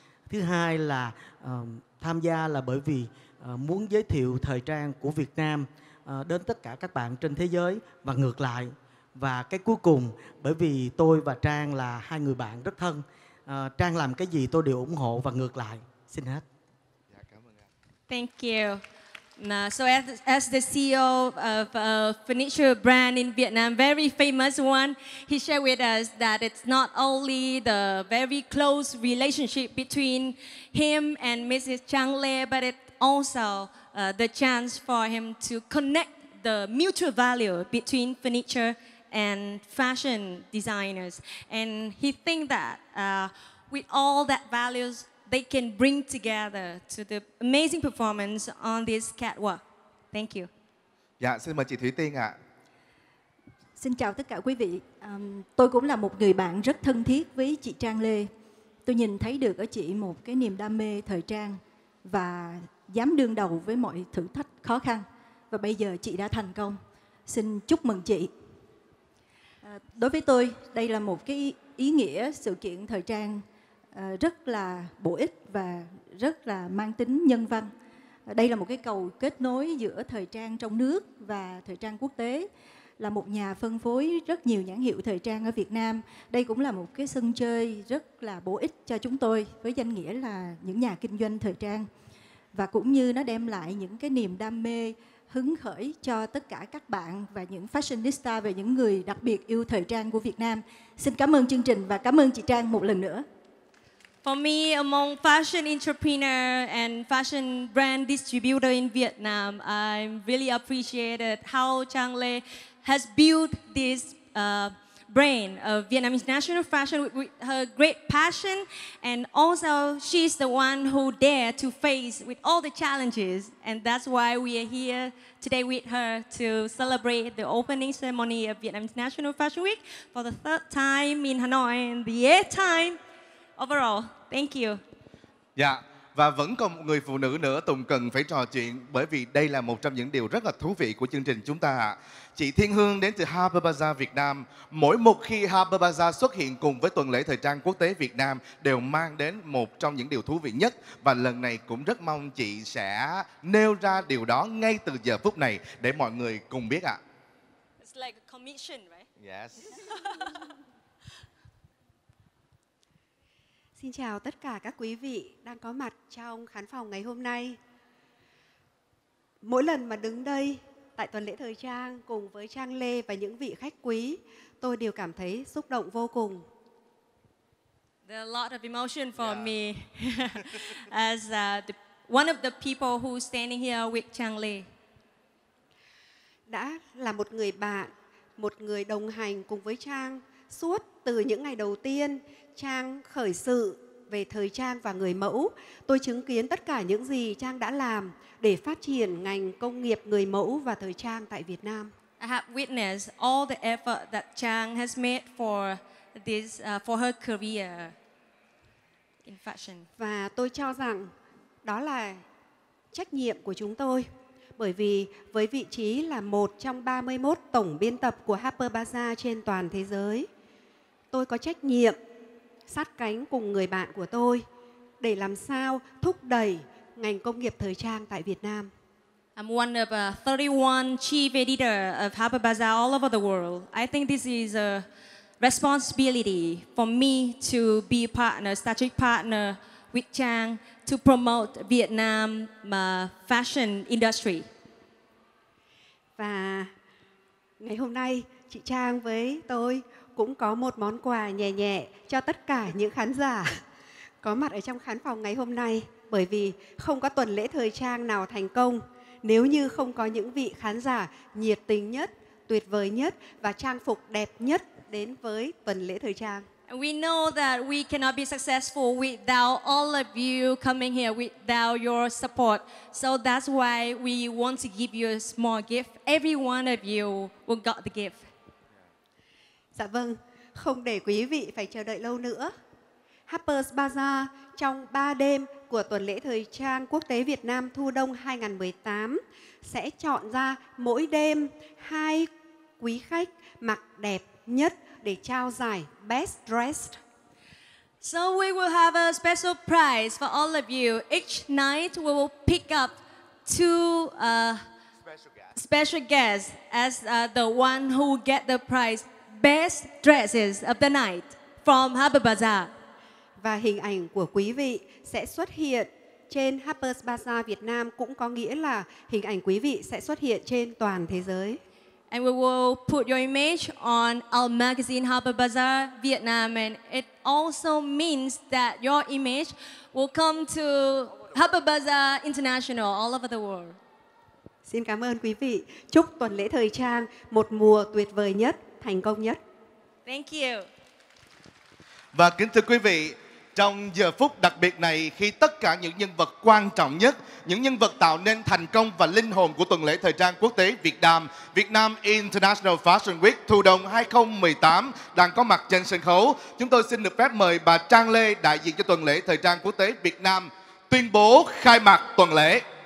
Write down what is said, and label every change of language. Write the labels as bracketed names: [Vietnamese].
[Vietnamese] Thứ hai là tham gia là bởi vì muốn giới thiệu thời trang của Việt Nam đến tất cả các bạn trên thế giới và ngược lại. Và cái cuối cùng, bởi vì tôi và Trang là hai người bạn rất thân, Trang làm cái gì tôi đều ủng hộ và ngược lại. Xin hết. Dạ, cảm ơn anh. [English] Thank you. So as the CEO of a furniture brand in Vietnam, very famous one, he shared with us that it's not only the very close relationship between him and Mrs. Chang Le, but it also the chance for him to connect the mutual value between furniture and fashion designers. And he think that with all that values, they can bring together to the amazing performance on this catwalk. Thank you. [Vietnamese] Dạ, xin mời chị Thủy Tiên ạ. Xin chào tất cả quý vị. Tôi cũng là một người bạn rất thân thiết với chị Trang Lê. Tôi nhìn thấy được ở chị một cái niềm đam mê thời trang và dám đương đầu với mọi thử thách khó khăn. Và bây giờ chị đã thành công. Xin chúc mừng chị. Đối với tôi, đây là một cái ý nghĩa sự kiện thời trang rất là bổ ích và rất là mang tính nhân văn. Đây là một cái cầu kết nối giữa thời trang trong nước và thời trang quốc tế, là một nhà phân phối rất nhiều nhãn hiệu thời trang ở Việt Nam. Đây cũng là một cái sân chơi rất là bổ ích cho chúng tôi với danh nghĩa là những nhà kinh doanh thời trang. Và cũng như nó đem lại những cái niềm đam mê hứng khởi cho tất cả các bạn và những fashionista và những người đặc biệt yêu thời trang của Việt Nam. Xin cảm ơn chương trình và cảm ơn chị Trang một lần nữa. [English] For me, among fashion entrepreneur and fashion brand distributor in Vietnam, I really appreciated how Chang Le has built this brand of Vietnam International Fashion with her great passion. And also, she's the one who dared to face with all the challenges. And that's why we are here today with her to celebrate the opening ceremony of Vietnam International Fashion Week for the third time in Hanoi and the eighth time overall. Thank you. [Vietnamese] Dạ, và vẫn còn một người phụ nữ nữa Tùng cần phải trò chuyện, bởi vì đây là một trong những điều rất là thú vị của chương trình chúng ta ạ. Chị Thiên Hương đến từ Harbor Bazaar Việt Nam. Mỗi một khi Harbor Bazaar xuất hiện cùng với Tuần lễ Thời trang Quốc tế Việt Nam đều mang đến một trong những điều thú vị nhất. Và lần này cũng rất mong chị sẽ nêu ra điều đó ngay từ giờ phút này để mọi người cùng biết ạ. [English] It's like a commission, right? Yes. [Vietnamese] Xin chào tất cả các quý vị đang có mặt trong khán phòng ngày hôm nay. Mỗi lần mà đứng đây tại Tuần lễ Thời trang cùng với Trang Lê và những vị khách quý, tôi đều cảm thấy xúc động vô cùng. [English] There are a lot of emotion for me as one of the people who standing here with Trang Lê. [Vietnamese] Đã là một người bạn, một người đồng hành cùng với Trang suốt từ những ngày đầu tiên Trang khởi sự về thời trang và người mẫu, tôi chứng kiến tất cả những gì Trang đã làm để phát triển ngành công nghiệp người mẫu và thời trang tại Việt Nam. [English] I have witnessed all the effort that Trang has made for this for her career in fashion. [Vietnamese] Và tôi cho rằng đó là trách nhiệm của chúng tôi, bởi vì với vị trí là một trong 31 tổng biên tập của Harper Bazaar trên toàn thế giới, tôi có trách nhiệm sát cánh cùng người bạn của tôi để làm sao thúc đẩy ngành công nghiệp thời trang tại Việt Nam. [English] I'm one of 31 chief editor of Harper Bazaar all over the world. I think this is a responsibility for me to be partner, strategic partner with Trang to promote Vietnam fashion industry. [Vietnamese] Và ngày hôm nay chị Trang với tôi cũng có một món quà nhẹ nhẹ cho tất cả những khán giả có mặt ở trong khán phòng ngày hôm nay, bởi vì không có tuần lễ thời trang nào thành công nếu như không có những vị khán giả nhiệt tình nhất, tuyệt vời nhất và trang phục đẹp nhất đến với tuần lễ thời trang. [English] We know that we cannot be successful without all of you coming here, without your support. So that's why we want to give you a small gift. Every one of you will got the gift. [Vietnamese] Dạ vâng, không để quý vị phải chờ đợi lâu nữa. Harper's Bazaar trong 3 đêm của tuần lễ thời trang quốc tế Việt Nam thu đông 2018 sẽ chọn ra mỗi đêm 2 quý khách mặc đẹp nhất để trao giải Best Dressed. [English] So we will have a special prize for all of you. Each night we will pick up 2 special guests as the one who get the prize Best Dresses of the Night from Harper's Bazaar. [Vietnamese] Và hình ảnh của quý vị sẽ xuất hiện trên Harper's Bazaar Việt Nam, cũng có nghĩa là hình ảnh quý vị sẽ xuất hiện trên toàn thế giới. [English] And we will put your image on our magazine Harper's Bazaar Vietnam, and it also means that your image will come to Harper's Bazaar International all over the world. [Vietnamese] Xin cảm ơn quý vị. Chúc tuần lễ thời trang một mùa tuyệt vời nhất, thành công nhất. [English] Thank you. [Vietnamese] Và kính thưa quý vị, trong giờ phút đặc biệt này, khi tất cả những nhân vật quan trọng nhất, những nhân vật tạo nên thành công và linh hồn của tuần lễ thời trang quốc tế Việt Nam, Việt Nam International Fashion Week thu đông 2018 đang có mặt trên sân khấu, chúng tôi xin được phép mời bà Trang Lê, đại diện cho tuần lễ thời trang quốc tế Việt Nam, tuyên bố khai mạc tuần lễ.